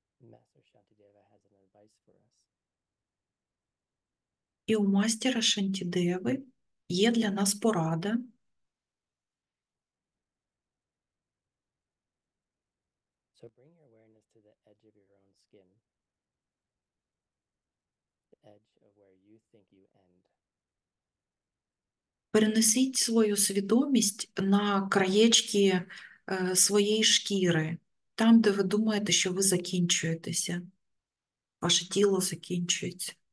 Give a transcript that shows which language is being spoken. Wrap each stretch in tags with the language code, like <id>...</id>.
<en>Master Shantideva has an advice for us.</en> <uk>І у мастера Шантідеви є для нас порада.</uk> <en>So bring your awareness to the edge of your own skin. The edge of where you think you end.</en> <uk>Перенесіть свою свідомість на краєчки своєї шкіри. Там, де ви думаєте, що ви закінчуєтеся, ваше тіло закінчується.</uk>